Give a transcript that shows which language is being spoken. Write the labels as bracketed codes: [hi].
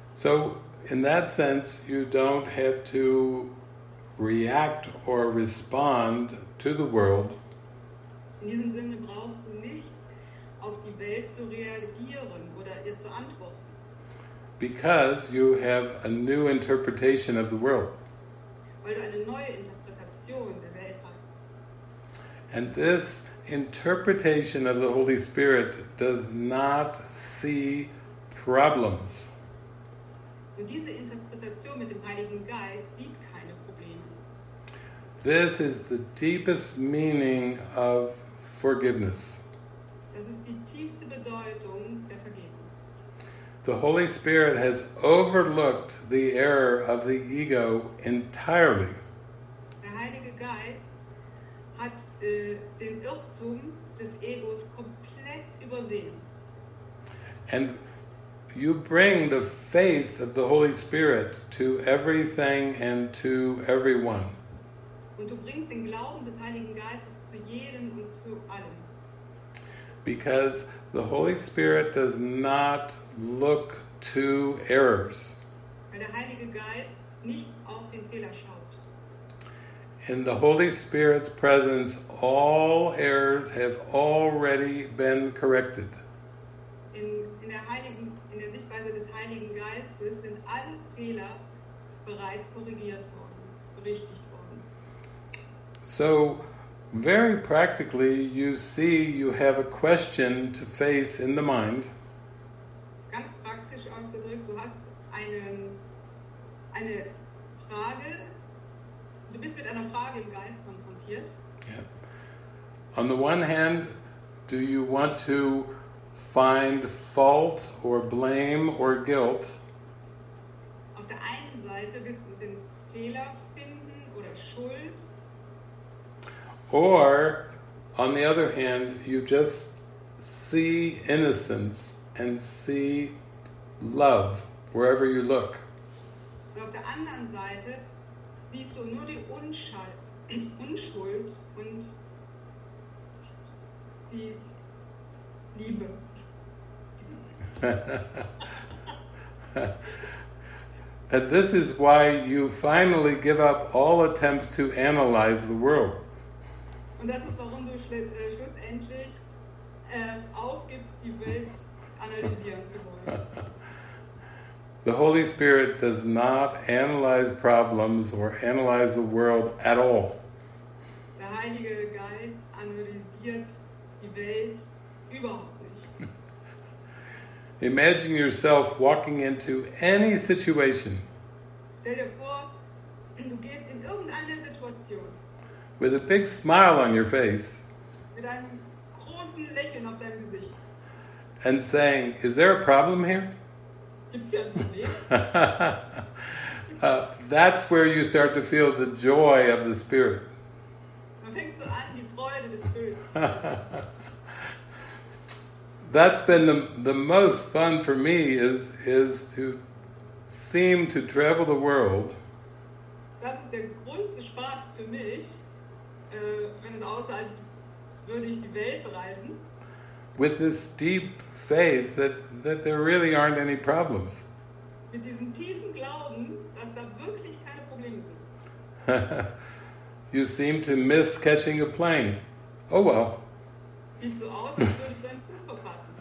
[en] So in that sense, you don't have to react or respond to the world. [de] In diesem Sinne brauchst du nicht auf die Welt zu reagieren oder ihr zu antworten. [en] Because you have a new interpretation of the world. [de] Weil du eine neue Interpretation der Welt hast. [en] And this interpretation of the Holy Spirit does not see problems. [de] Und diese Interpretation mit dem Heiligen Geist sieht keine Probleme. [en] This is the deepest meaning of forgiveness. [de] Das ist die tiefste Bedeutung der Vergebung. [en] The Holy Spirit has overlooked the error of the ego entirely. [de] Der Heilige Geist hat den Irrtum des Egos komplett übersehen. [en] And you bring the faith of the Holy Spirit to everything and to everyone. [de] Und du bringst den Glauben des Heiligen Geistes zu jedem und zu allem. [en] Because the Holy Spirit does not look to errors. [de] Weil der Heilige Geist nicht auf den Fehler schaut. [en] In the Holy Spirit's presence, all errors have already been corrected. [de] In der Sichtweise des Heiligen Geistes sind alle Fehler bereits korrigiert worden, richtig worden. [en] So, very practically, you see you have a question to face in the mind. [de] Ganz praktisch ausgedrückt, du hast eine Frage, du bist mit einer Frage im Geist konfrontiert. [en] Yeah. On the one hand, do you want to find fault or blame or guilt? [de] Auf der einen Seite willst du den Fehler finden oder Schuld. [en] Or, on the other hand, you just see innocence and see love wherever you look. [de] Und auf der anderen Seite siehst du nur die Unschuld und die Liebe. [en] And this is why you finally give up all attempts to analyze the world. [de] Und das ist, warum du schlussendlich aufgibst, die Welt analysieren zu wollen. [en] The Holy Spirit does not analyze problems or analyze the world at all. [de] Der Heilige Geist analysiert die Welt überhaupt nicht. [en] Imagine yourself walking into any situation. [de] Stell dir vor, du gehst in irgendeine Situation. [en] With a big smile on your face. [de] Mit einem großen Lächeln auf deinem Gesicht. [en] And saying, is there a problem here? [de] Gibt's hier ein Problem? [en] That's where you start to feel the joy of the Spirit. [de] Dann fängst du an, die Freude des Spirits. [en] That's been the most fun for me is to seem to travel the world. [de] Das ist der größte Spaß für mich. Wenn es aussah, würde ich die Welt bereisen. [en] With this deep faith that there really aren't any problems. [de] Mit diesem tiefen Glauben, dass da wirklich keine Probleme sind. [en] You seem to miss catching a plane. Oh well. [de] Sieht so aus, als würde ich deinen Flug verpassen.